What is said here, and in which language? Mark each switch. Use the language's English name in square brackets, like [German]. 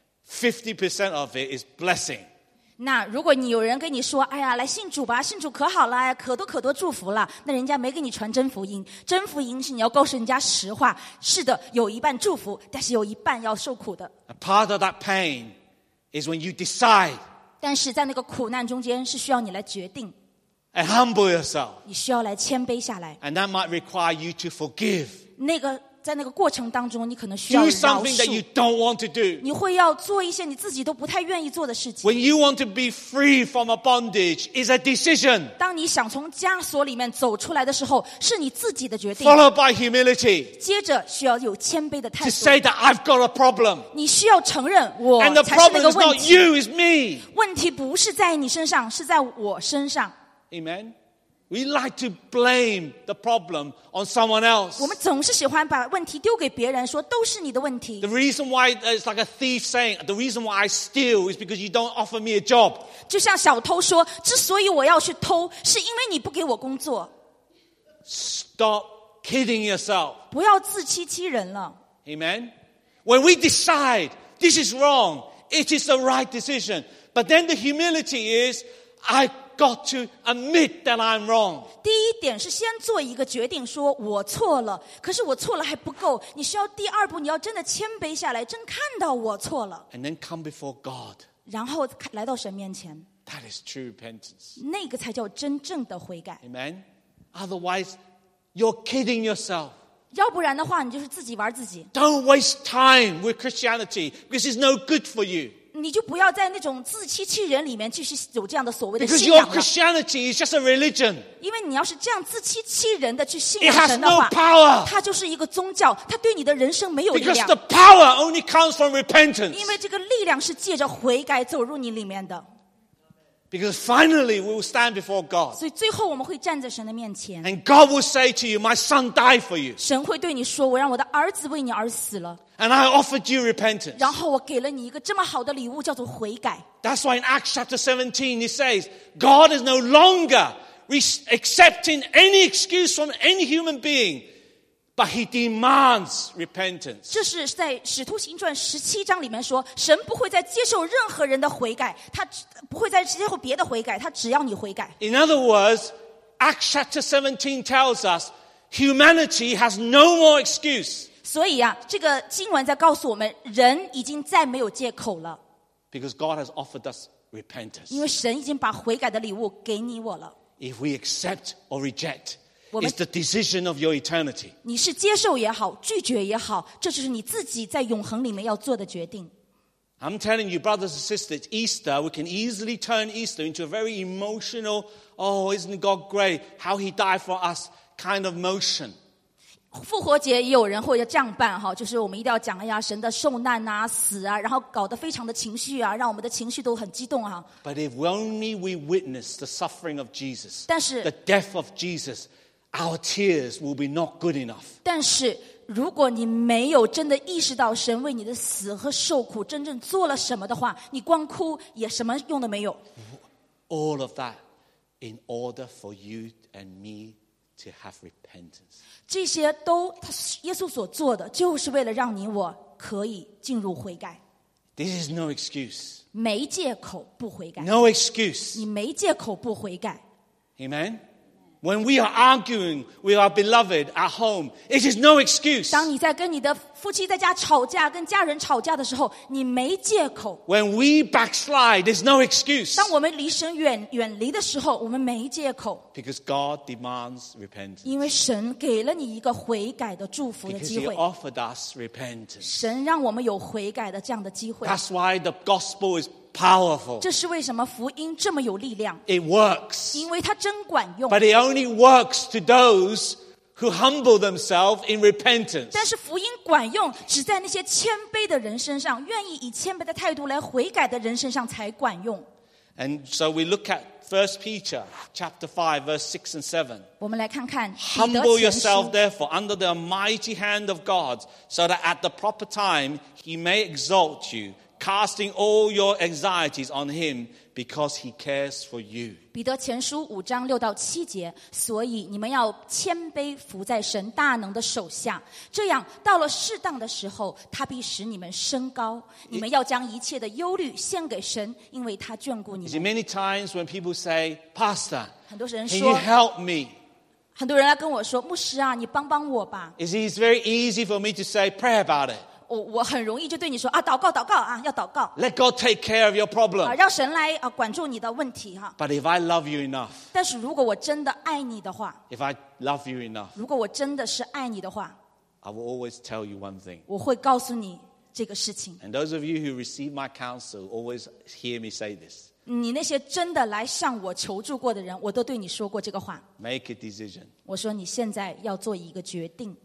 [English] 50% of it is blessing. [Chinese] 那如果你有人跟你说哎呀来信主吧信主可好了可多可多祝福了那人家没给你传真福音。真福音是你要告诉人家实话是的有一半祝福但是有一半要受苦的。 [English] A part of that pain is when you decide, [Chinese] 但是在那个苦难中间是需要你来决定 [English] And humble yourself [Chinese] 你需要来谦卑下来 [English] And that might require you to forgive [Chinese] 那个在那个过程当中你可能需要饶恕 [English] Do something that you don't want to do [Chinese] 你会要做一些你自己都不太愿意做的事情 [English] When you want to be free from a bondage is a decision [Chinese] 当你想从枷锁里面走出来的时候是你自己的决定 [English] Followed by humility [Chinese] 接着需要有谦卑的态度 [English] To say that I've got a problem [Chinese] 你需要承认我才是那个问题 [English] And the problem is not you, it's me [Chinese] 问题不是在你身上是在我身上 [English] Amen? We like to blame the problem on someone else. [Chinese] 我们总是喜欢把问题丢给别人，说都是你的问题。 [English] The reason why it's like a thief saying, the reason why I steal is because you don't offer me a job. [Chinese] 就像小偷说，之所以我要去偷，是因为你不给我工作。 [English] Stop kidding yourself. [Chinese] 不要自欺欺人了。 [English] Amen. When we decide this is wrong, it is the right decision. But then the humility is, I got to admit that I'm wrong. [Chinese] 第一点是先做一个决定说我错了可是我错了还不够你需要第二步你要真的谦卑下来真看到我错了 [English] And then come before God. [Chinese] 然后来到神面前 [English] That is true repentance. [Chinese] 那个才叫真正的悔改 [English] Amen. Otherwise, you're kidding yourself. [Chinese] 要不然的话你就是自己玩自己 [English] Don't waste time with Christianity. This is no good for you. [Chinese] 你就不要在那种自欺欺人里面继续有这样的所谓的信仰 [English] 了。Because your Christianity is just a religion. [Chinese] 因为你要是这样自欺欺人的去信仰神的话， [English] It has no power. [Chinese] 它就是一个宗教，它对你的人生没有力量。 [English] Because the power only comes from repentance. [Chinese] 因为这个力量是借着悔改走入你里面的。 [English] Because finally we will stand before God. [Chinese] 所以最后我们会站在神的面前。 [English] And God will say to you, "My son died for you." [Chinese] 神会对你说，我让我的儿子为你而死了。 [English] And I offered you repentance. [Chinese] 然后我给了你一个这么好的礼物，叫做悔改。 [English] That's why in Acts chapter 17 it says, "God is no longer accepting any excuse from any human being." But he demands repentance. [Chinese] 这是在《使徒行传》十七章里面说，神不会再接受任何人的悔改，他不会再接受别的悔改，他只要你悔改。 [English] In other words, Acts chapter 17 tells us humanity has no more excuse. [Chinese] 所以啊，这个经文在告诉我们，人已经再没有借口了。 [English] Because God has offered us repentance. [Chinese] 因为神已经把悔改的礼物给你我了。 [English] If we accept or reject. It's the decision of your eternity. [Chinese] 你是接受也好，拒绝也好，这就是你自己在永恒里面要做的决定。 [English] I'm telling you, brothers and sisters, Easter, we can easily turn Easter into a very emotional, oh, isn't God great? How he died for us kind of motion. [Chinese] 复活节也有人会这样办，就是我们一定要讲，哎呀，神的受难啊，死啊，然后搞得非常的情绪啊，让我们的情绪都很激动啊。 [English] But if only we witness the suffering of Jesus, [Chinese] 但是 [English] the death of Jesus,Our tears will be not good enough. [Chinese] 但是如果你没有真的意识到神为你的死和受苦真正做了什么的话，你光哭也什么用都没有。 [English] All of that in order for you and me to have repentance. [Chinese] 这些都耶稣所做的，就是为了让你我可以进入悔改。 [English] This is no excuse. [Chinese] 没借口不悔改。 [English] No excuse. [Chinese] 你没借口不悔改。 [English] Amen. When we are arguing with our beloved at home, it is no excuse. [Chinese] 当你在跟你的夫妻在家吵架，跟家人吵架的时候，你没借口。 [English] When we backslide, it's no excuse. [Chinese] 当我们离神远离的时候，我们没借口。 [English] Because God demands repentance. [Chinese] 因为神给了你一个悔改的祝福的机会。 [English] Because He offered us repentance. [Chinese] 神让我们有悔改的这样的机会。 [English] That's why the gospel is powerful. [Chinese] 这是为什么福音这么有力量？ [English] It works. [Chinese] 因为它真管用。 [English] But it only works to those who humble themselves in repentance. [Chinese] 但是福音管用只在那些谦卑的人身上，愿意以谦卑的态度来悔改的人身上才管用。 [English] And so we look at 1 Peter chapter 5 verse 6 and 7. [Chinese] 我们来看看彼得前书。 [English] Humble yourself therefore under the mighty hand of God, so that at the proper time he may exalt you. Casting all your anxieties on him because he cares for you. [Chinese] 彼得前书五章六到七节，所以你们要谦卑伏在神大能的手下，这样到了适当的时候，他必使你们升高。你们要将一切的忧虑献给神，因为他眷顾你们。 [English] Many times when people say, Pastor, [Chinese] 很多人说 [English] can you help me? [Chinese] 很多人来跟我说，牧师啊，你帮帮我吧。 [English] It's very easy for me to say, pray about it. [Chinese] 我很容易就对你说啊，祷告祷告啊，要祷告。 [English] Let God take care of your problem. [Chinese] 让神来啊管住你的问题哈。 [English] But if I love you enough, [Chinese] 但是如果我真的爱你的话 [English] ，If I love you enough, [Chinese] 如果我真的是爱你的话 [English] ，I will always tell you one thing. [Chinese] 我会告诉你这个事情。 [English] And those of you who receive my counsel always hear me say this. [Chinese] 你那些真的来向我求助过的人，我都对你说过这个话。 [English] Make a decision. [Chinese] 我说你现在要做一个决定。